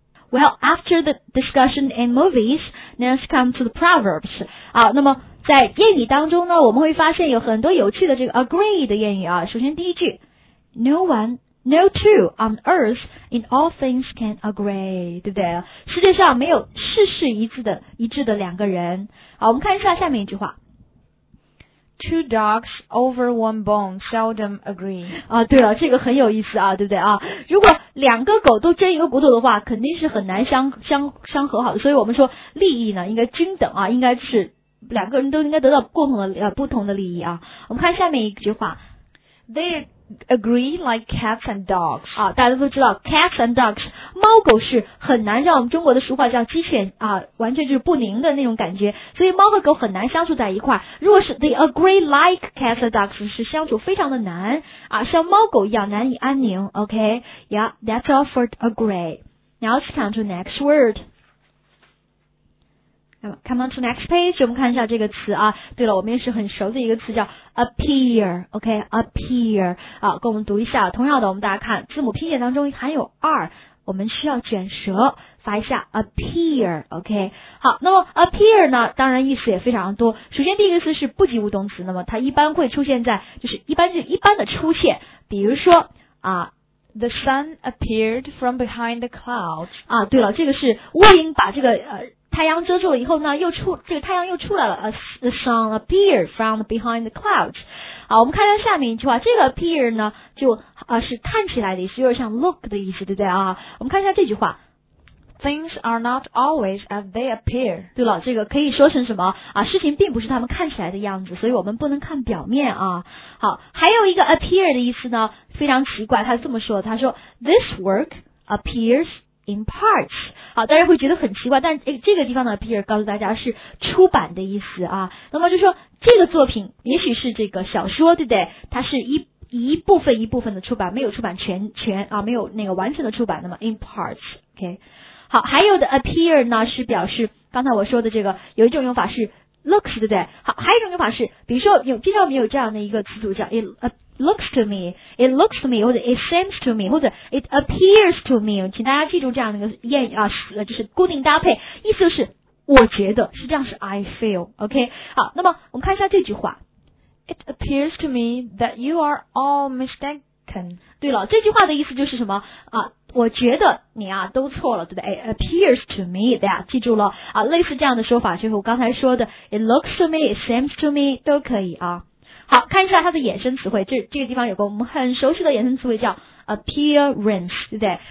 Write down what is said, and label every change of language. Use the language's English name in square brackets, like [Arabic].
[English] Well, after the discussion in movies, let's come to the proverbs. [Chinese] 好，那么在谚语当中呢，我们会发现有很多有趣的这个 agree 的谚语啊。首先第一句 [English] ，No one, no two on earth in all things can agree， [Chinese] 对不对？世界上没有事事一致的两个人。好，我们看一下下面一句话。 [English] Two dogs over one bone seldom agree. [Chinese] 啊，对了，这个很有意思啊，对不对啊？如果两个狗都争一个骨头的话，肯定是很难相和好的。所以我们说利益呢，应该均等啊，应该是两个人都应该得到共同的不同的利益啊。我们看下面一句话 [English] ，They agree like cats and dogs. [Chinese] 啊，大家都知道 cats and dogs， 猫狗是很难让我们中国的俗话叫鸡犬啊，完全就是不宁的那种感觉。所以猫和狗很难相处在一块。如果是 [English] they agree like cats and dogs， [Chinese] 是相处非常的难啊，像猫狗一样难以安宁。 [English] OK， yeah， that's all for agree. Now let's come to next word. Come on to next page， [Chinese] 我们看一下这个词啊。对了，我们也是很熟的一个词，叫 appear， OK， appear， 啊，跟我们读一下。同样的，我们大家看字母拼写当中含有 r， 我们需要卷舌发一下 appear， OK。好，那么 appear 呢，当然意思也非常多。首先第一个词是不及物动词，那么它一般会出现在就是一般的出现，比如说啊。 [English] The sun appeared from behind the clouds. [Chinese] 啊，对了，这个是乌云把这个太阳遮住了以后呢，又出这个太阳又出来了。 [English] The sun appeared from behind the clouds. [Chinese] 好，我们看一下下面一句话，这个 appear 呢，就是看起来的意思，有点像 look 的意思，对不对啊？我们看一下这句话。 [English] Things are not always as they appear. [Chinese] 对了，这个可以说成什么啊？事情并不是他们看起来的样子，所以我们不能看表面啊。好，还有一个 appear 的意思呢，非常奇怪，他这么说，他说 [English] This work appears in parts. [Chinese] 好，大家会觉得很奇怪，但这个地方的 appear 告诉大家是出版的意思啊。那么就说这个作品也许是这个小说，对不对？它是一部分的出版，没有出版全啊，没有那个完整的出版，那么 in parts. [English] OK. [Chinese] 好，还有的 appear 呢是表示刚才我说的这个，有一种用法是 looks， 对不对？好，还有一种用法是，比如说经常我们有这样的一个词组叫 [English] it looks to me [Chinese] 或者 [English] it seems to me [Chinese] 或者 [English] it appears to me， [Chinese] 请大家记住这样的一个谚语啊，就是固定搭配，意思就是我觉得是这样，是 I feel， OK。好，那么我们看一下这句话， [English] It appears to me that you are all mistaken。 [Chinese] 对了，这句话的意思就是什么啊？我觉得你啊都错了，对不对？ [English] It appears to me， [Chinese] 大家记住了啊，类似这样的说法，就是我刚才说的 ， [English] it looks to me， it seems to me， [Chinese] 都可以啊。好，看一下它的衍生词汇，这个地方有个我们很熟悉的衍生词汇叫 appearance， 对不对？